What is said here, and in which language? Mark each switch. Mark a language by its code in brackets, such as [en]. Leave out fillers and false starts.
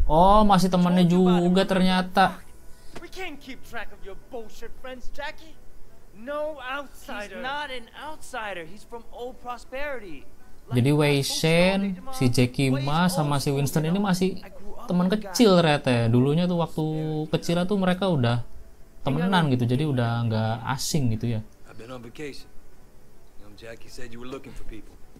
[id] Oh, masih temannya juga ternyata. [en] We can't keep track of your bullshit friends, Jackie. No outsider. He's not an outsider. He's from Old Prosperity. [id] Jadi Wei Shen, si Jackie Ma sama si Winston ini masih teman kecil ternyata. Dulunya tuh waktu kecil tuh mereka udah temenan gitu. Jadi udah enggak asing gitu ya. [en] I've been on vacation. Young Jackie said you were looking for people.